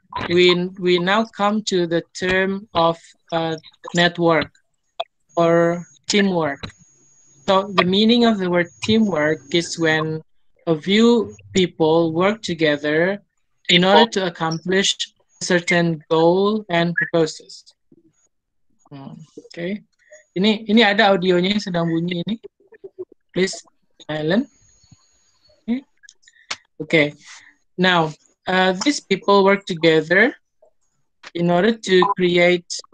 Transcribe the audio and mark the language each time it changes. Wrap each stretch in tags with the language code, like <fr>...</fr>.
<en>We now come to the term of network or teamwork. So the meaning of the word teamwork is when a few people work together in order to accomplish certain goal and purposes. Okay.</en> <id>Ini ada audionya yang sedang bunyi ini.</id> <en>Please silent. Okay. Now these people work together in order to create.</en>